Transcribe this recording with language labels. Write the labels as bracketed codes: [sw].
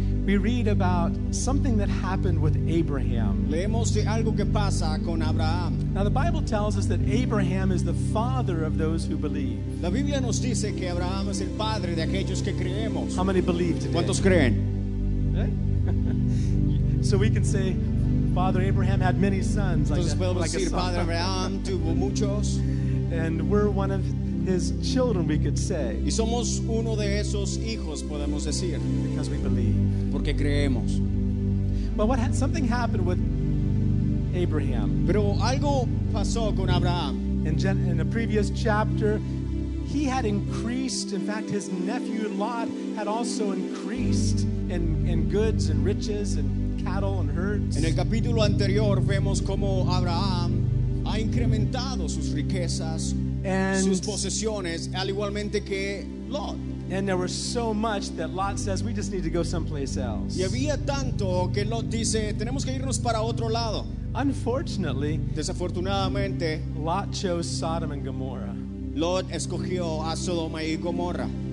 [en] We read about something that happened with Abraham. [es] Leemos de algo que pasa con Abraham. [en] Now the Bible tells us that Abraham is the father of those who believe. [es] La Biblia nos dice que Abraham es el padre de aquellos que creemos. [en] How many believe today? [es] ¿Cuántos creen? [en] So we can say, Father Abraham had many sons. [es] Entonces podemos a, like decir, [en] a son. [es] Padre Abraham tuvo muchos. [en] And we're one of his children, we could say. [es] Y somos uno de esos hijos, podemos decir. [en] Because we believe. [es] Porque creemos. [en] But what had something happened with Abraham? [es] Pero algo pasó con Abraham. [en] In a previous chapter, he had increased. In fact, his nephew Lot had also increased in goods and riches and cattle and herds. [es] En el capítulo anterior vemos cómo Abraham ha incrementado sus riquezas, [en] and [es] sus posesiones, al igualmente que Lot. [en] And there was so much that Lot says, we just need to go someplace else. [es] Y había tanto que Lot dice, tenemos que irnos para otro lado. [en] Unfortunately, [es] desafortunadamente, [en] Lot chose Sodom and Gomorrah. [es] Lot escogió a Sodoma y Gomorra.